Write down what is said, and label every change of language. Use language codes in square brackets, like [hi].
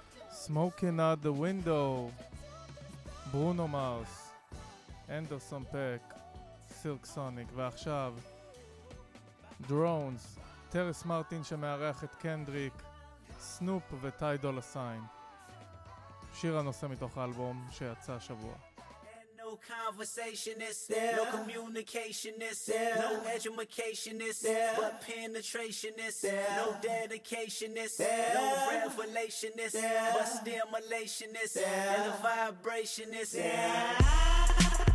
[en] Smoking out the window, Bruno Mars, Anderson Paak, Silk Sonic, [he] ועכשיו Drones, טרס מרטין שמארח את קנדריק, סנופ וטי דולה סיין. שיר הנושא מתוך האלבום שיצא השבוע. [en] No conversation is there, no communication is there, no education is there, but penetration is there, no dedication is there, no revelation is there, but stimulation is there, and the vibration is there.